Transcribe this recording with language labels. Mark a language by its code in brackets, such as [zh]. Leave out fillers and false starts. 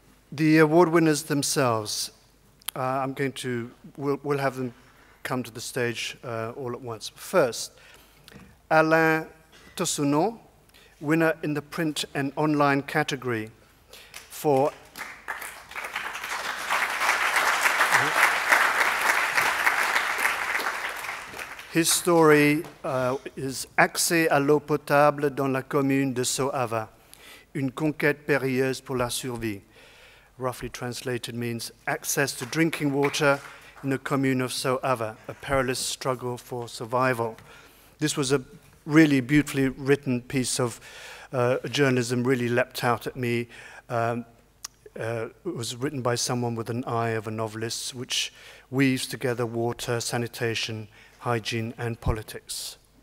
[en] The award winners themselves, we'll have them come to the stage all at once. First, Alain Tosunon, winner in the print and online category for his story is [fr] Accès à l'eau potable dans la commune de Soava, une conquête périlleuse pour la survie. [en] Roughly translated means access to drinking water in the commune of Soava, a perilous struggle for survival. This was a really beautifully written piece of journalism, really leapt out at me. It was written by someone with an eye of a novelist, which weaves together water, sanitation, hygiene, and politics.